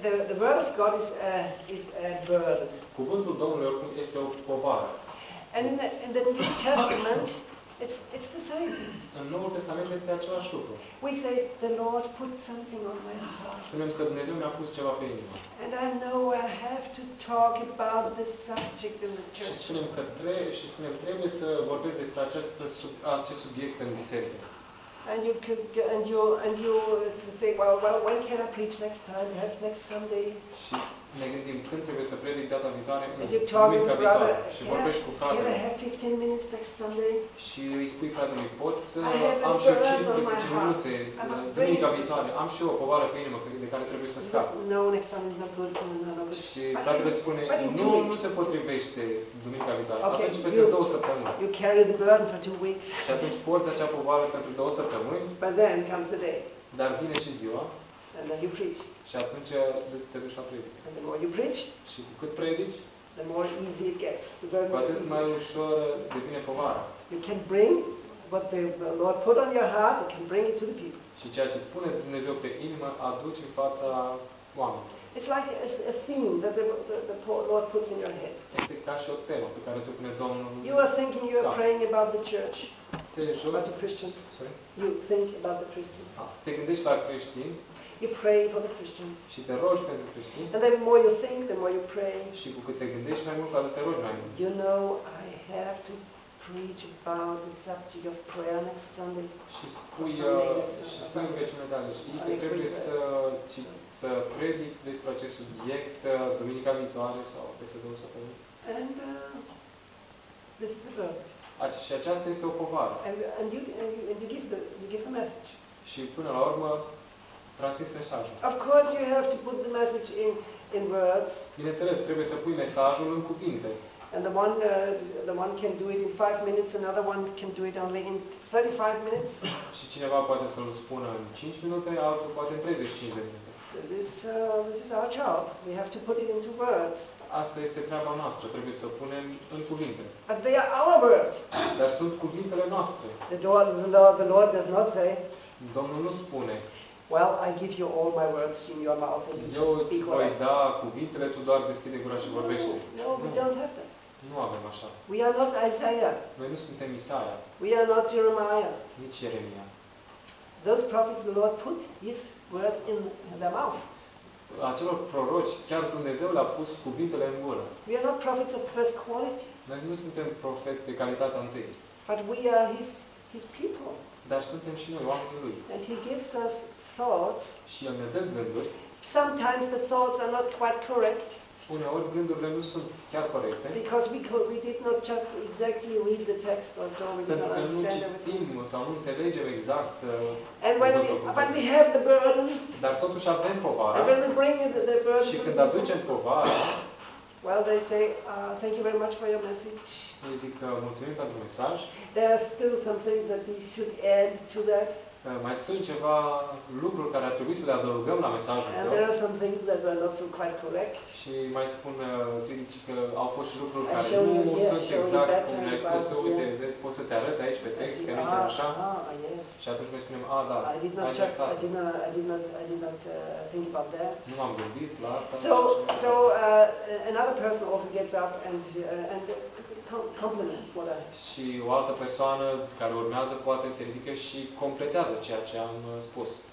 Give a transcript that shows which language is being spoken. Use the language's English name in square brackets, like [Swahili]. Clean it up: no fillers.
[English] The word of God is a burden. [Romanian] Cuvântul Domnului oricum este o povară. [English] And in the New Testament, it's the same. [Romanian] În Noul Testament este același lucru. [English] We say the Lord put something on my heart. [Romanian] Spunem că Dumnezeu mi-a pus ceva pe inimă. [English] And I know I have to talk about this subject in the church. [Romanian] Și spunem trebuie să vorbesc despre acest subiect în biserică. [English] And you could and you think well when can I preach next time? Perhaps next Sunday. [Romanian] ne gândim când trebuie să predic data viitoare, în duminica viitoare. Și vorbești cu fratele. [English] Have 15 minutes next Sunday? [Romanian] Și îi spui fratele, pot să am și eu 15 minute duminica viitoare. Am și eu o povară pe inimă de care trebuie să scap. [English] No, next Sunday is not good for me. [Romanian] Și fratele spune, nu, nu se potrivește duminica viitoare. [English] Okay, [Romanian] atunci peste două săptămâni. [English] You carry the burden for 2 weeks. [Romanian] Și atunci porți acea povară pentru două săptămâni. [English] But then comes the day. [Romanian] Dar vine și ziua. [English] And then you preach. [Romanian] Și atunci te duci la predică. [English] And the more you preach, [Romanian] și cu cât predici, [English] the more easy it gets. [Romanian] Cu atât mai ușor devine povara. [English] You can bring what the Lord put on your heart, you can bring it to the people. [Romanian] Și ceea ce îți pune Dumnezeu pe inimă, aduci în fața oamenilor. [English] It's like a theme that the Lord puts in your head. [Romanian] Este ca și o temă pe care ți-o pune Domnul. [English] You are thinking, you are praying about the church. About the Christians. Sorry? You think about the Christians. [Romanian] Te gândești la creștini. [English] You pray for the Christians. [Romanian] Și te rogi pentru creștini. [English] And the more you think, the more you pray. [Romanian] Și cu cât te gândești mai mult, te rogi mai mult. [English] You know, I have to preach about the subject of prayer next Sunday. [Romanian] Și spui, [English] Sunday next Sunday. [Romanian] Și spui în vecină, dar știi că trebuie să predic despre acest subiect duminica viitoare sau peste două săptămâni. [English] And this is a verb. [Romanian] Și aceasta este o povară. [English] And you give the message. [Romanian] Și până la urmă transmiți mesajul. [English] Of course you have to put the message in words. [Romanian] Bineînțeles, trebuie să pui mesajul în cuvinte. [English] And the one can do it in 5 minutes, another one can do it only in 35 minutes. [Romanian] Și cineva poate să-l spună în 5 minute, altul poate în 35 de minute. [English] This is our job. We have to put it into words. [Romanian] Asta este treaba noastră, trebuie să o punem în cuvinte. [English] But they are our words. [Romanian] Dar sunt cuvintele noastre. [English] The Lord does not say. [Romanian] Domnul nu spune. [English] Well, I give you all my words in your mouth and you just speak. [Romanian] Eu îți voi da cuvintele, tu doar deschide gura și vorbește. [English] No, we don't have that. [Romanian] Nu avem așa. [English] We are not Isaiah. [Romanian] Noi nu suntem Isaia. [English] We are not Jeremiah. [Romanian] Nici Ieremia. [English] Those prophets, the Lord put His word in their mouth. [Romanian] Acelor proroci, chiar Dumnezeu le-a pus cuvintele în gură. [English] We are not prophets of first quality. [Romanian] Noi nu suntem profeți de calitate întâi. [English] But we are His people. [Romanian] Dar suntem și noi oamenii Lui. [English] And He gives us thoughts. [Romanian] Și El ne dă gânduri. [English] Sometimes the thoughts are not quite correct. [Romanian] Uneori gândurile nu sunt chiar corecte. [English] Because we did not just exactly read the text or so, we [Romanian] pentru [English] did not understand everything. [Romanian] Pentru că nu citim sau nu înțelegem exact. [English] And when we have the burden. [Romanian] Dar totuși avem povara. [English] And when we bring the burden. [Romanian] Și când aducem povara. [English] Well, they say, thank you very much for your message. [Romanian] Ei zic că mulțumim pentru mesaj. [English] There are still some things that we should add to that. [Romanian] Mai sunt ceva lucruri care ar trebui să le adăugăm la mesajul tău. [English] There are some things that were not so quite correct. [Romanian] Și mai spun critici că au fost și lucruri care nu sunt exact cum le-ai spus tu. Uite, vezi, poți să-ți arăt aici pe text că nu e așa. Și atunci noi spunem, da, [English] I did not think about that. [Romanian] Nu m-am gândit la asta. [English] So another person also gets up and compliments what I. [Romanian] Și o altă persoană care urmează poate se ridică și completează ceea ce am spus.